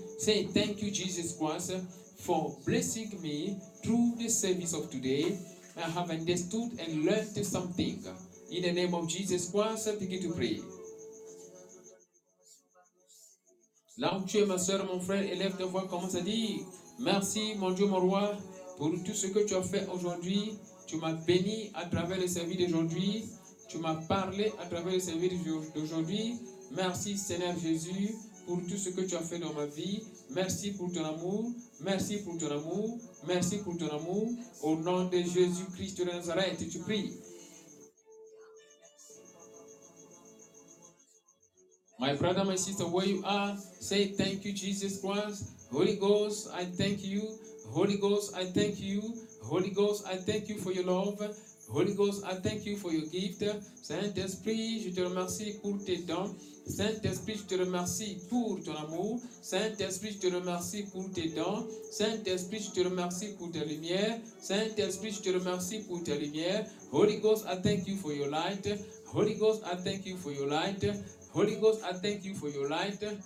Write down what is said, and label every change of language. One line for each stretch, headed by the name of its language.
English: Say thank you, Jesus Christ, for blessing me through the service of today. I have understood and learned something. In the name of Jesus Christ, begin to pray.
French: Là où tu es, ma soeur, mon frère, élève ta voix, commence à dire, merci, mon Dieu, mon roi, pour tout ce que tu as fait aujourd'hui. Tu m'as béni à travers le service d'aujourd'hui. Tu m'as parlé à travers le service d'aujourd'hui. Merci, Seigneur Jésus, pour tout ce que tu as fait dans ma vie. Merci pour ton amour. Merci pour ton amour. Merci pour ton amour. Au nom de Jésus-Christ de Nazareth, tu pries.
English: My brother, my sister, where you are, say thank you, Jesus Christ. Holy Ghost, I thank you. Holy Ghost, I thank you. Holy Ghost, I thank you for your love. Holy Ghost, I thank you for your gift.
French: Saint-Esprit, je te remercie pour tes dons. Saint-Esprit, je te remercie pour ton amour. Saint-Esprit, je te remercie pour tes dons. Saint-Esprit, je te remercie pour ta lumière. Saint-Esprit, je te remercie pour ta lumière.
English: Holy Ghost, I thank you for your light. Holy Ghost, I thank you for your light. Holy Ghost, I thank you for your light.